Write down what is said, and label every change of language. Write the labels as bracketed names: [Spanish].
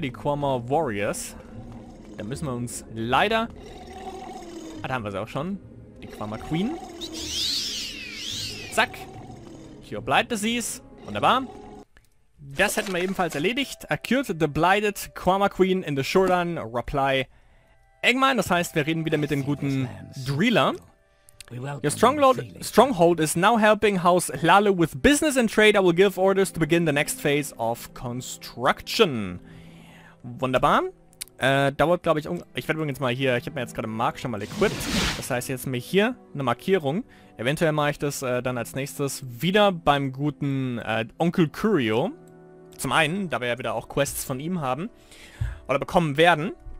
[German] Die Quarmer Warriors. Da müssen wir uns leider... Ah, da haben wir sie auch schon. Die Quarmer Queen. Zack. Hier bleibt es sie's. Wunderbar. Das hätten wir ebenfalls erledigt. [English] I killed the blighted Quarmer Queen in the Shuran Reply Eggman. [German] Das heißt, wir reden wieder mit dem guten Driller. [English] Your stronghold is now helping House Lalu with business and trade. I will give orders to begin the next phase of construction. [German] Wunderbar. Dauert, glaube ich, ich werde übrigens mal hier, ich habe mir jetzt gerade Mark schon mal equipped. Das heißt, jetzt mir hier eine Markierung. Eventuell mache ich das dann als nächstes wieder beim guten Onkel Curio. Zum einen, da wir ja wieder auch Quests von ihm haben oder bekommen werden.